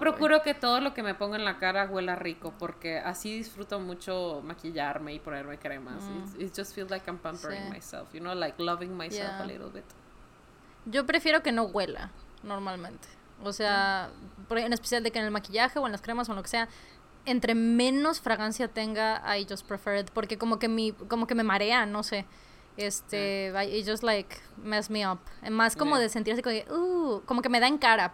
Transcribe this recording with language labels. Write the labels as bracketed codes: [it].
[es] procuro wey. Que todo lo que me pongo en la cara huela rico, porque así disfruto mucho maquillarme y ponerme cremas. [en] Mm. It just feels like I'm pampering sí. Myself, you know, like loving myself yeah. A little bit. [es] Yo prefiero que no huela, normalmente. O sea, yeah. En especial de que en el maquillaje o en las cremas o en lo que sea, entre menos fragancia tenga, [en] I just prefer it, [es] porque como que me marea, no sé. Este, yeah. [en] It just like mess me up. [es] Más como [en] yeah. [es] De sentirse como que me da en cara.